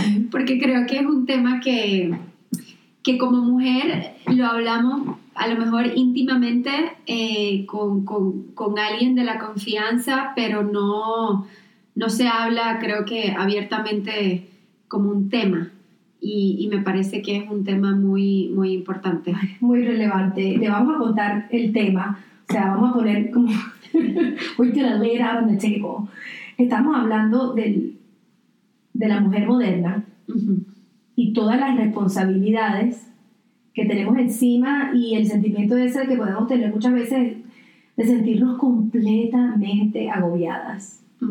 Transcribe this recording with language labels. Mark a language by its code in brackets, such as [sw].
[es] Porque creo que es un tema que como mujer lo hablamos a lo mejor íntimamente con alguien de la confianza, pero no se habla, creo que abiertamente como un tema. Y me parece que es un tema muy, muy importante. Muy relevante. Le vamos a contar el tema. O sea, vamos a poner como... [en] We're gonna lay it out on the table. [es] Estamos hablando de la mujer moderna y todas las responsabilidades que tenemos encima y el sentimiento ese que podemos tener muchas veces de sentirnos completamente agobiadas.